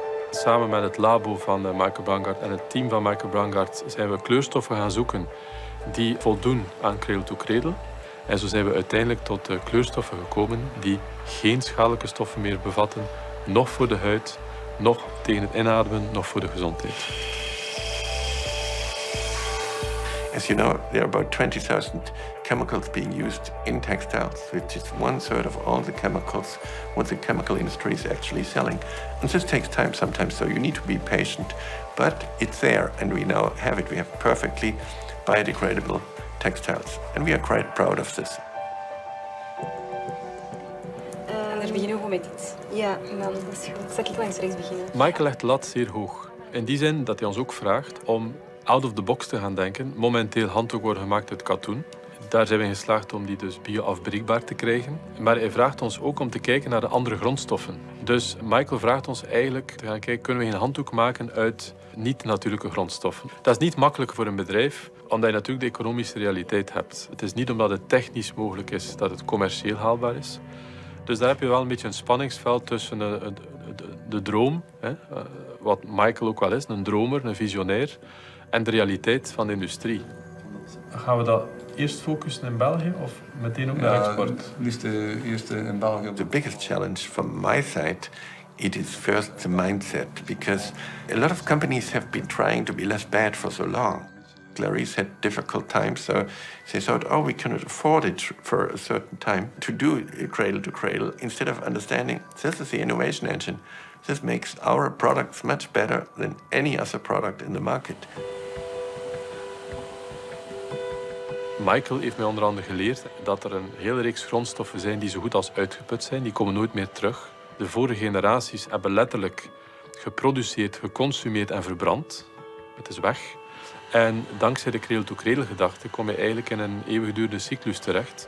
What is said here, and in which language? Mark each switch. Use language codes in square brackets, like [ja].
[nl] Samen met het labo van Michael Braungart en het team van Michael Braungart zijn we kleurstoffen gaan zoeken die voldoen aan cradle to cradle. En zo zijn we uiteindelijk tot de kleurstoffen gekomen die geen schadelijke stoffen meer bevatten, nog voor de huid, nog tegen het inademen, nog voor de gezondheid. [en] As you know, there are about 20,000 chemicals being used in textiles, which is 1/3 of all the chemicals what the chemical industry is actually selling. And this takes time sometimes, so you need to be patient. But it's there, and we now have it. We have perfectly biodegradable textiles, and we are quite proud of this. [nl] Daar beginnen we met dit. Ja, dan zal ik langs rechts beginnen. Michael legt de lat zeer hoog. In die zin dat hij ons ook vraagt om [en] out of the box [nl] te gaan denken. Momenteel handdoeken worden gemaakt uit katoen. Daar zijn we geslaagd om die dus bioafbreekbaar te krijgen. Maar hij vraagt ons ook om te kijken naar de andere grondstoffen. Dus Michael vraagt ons eigenlijk te gaan kijken, kunnen we een handdoek maken uit niet-natuurlijke grondstoffen? Dat is niet makkelijk voor een bedrijf, omdat je natuurlijk de economische realiteit hebt. Het is niet omdat het technisch mogelijk is dat het commercieel haalbaar is. Dus daar heb je wel een beetje een spanningsveld tussen de droom, hè, wat Michael ook wel is, een dromer, een visionair, en de realiteit van de industrie. Gaan we dat eerst focussen in België of meteen ook naar export? Liefst eerst in België. [en] The biggest challenge from my side, it is first the mindset, because a lot of companies have been trying to be less bad for so long. Clarisse had difficult times, so they thought, oh, we cannot afford it for a certain time to do cradle to cradle, instead of understanding this is the innovation engine. This makes our products much better than any other product in the market. [nl] Michael heeft mij onder andere geleerd dat er een hele reeks grondstoffen zijn die zo goed als uitgeput zijn. Die komen nooit meer terug. De vorige generaties hebben letterlijk geproduceerd, geconsumeerd en verbrand. Het is weg. En dankzij de cradle-to-cradle-gedachte kom je eigenlijk in een eeuwigdurende cyclus terecht.